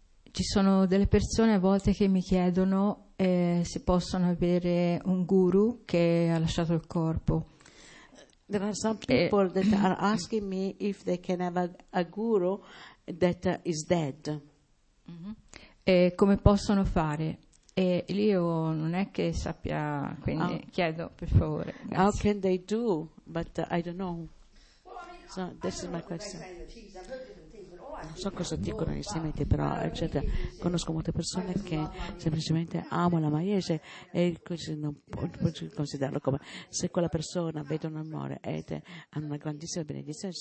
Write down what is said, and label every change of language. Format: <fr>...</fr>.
<it>Ci sono delle persone a volte che mi chiedono se possono avere un guru che ha lasciato il corpo.</it> <en>There are some people that are asking me if they can have a guru that is dead.</en> <it>Mm-hmm. Come possono fare? E io non è che sappia, quindi chiedo per favore. Grazie.</it> <en>How can they do? But I don't know. So this is my question.</en> <it>Non so cosa dicono gli insegnanti, però eccetera. Conosco molte persone che semplicemente amano la Maiese e non posso considerarlo come se quella persona vede un amore e ha una grandissima benedizione.</it>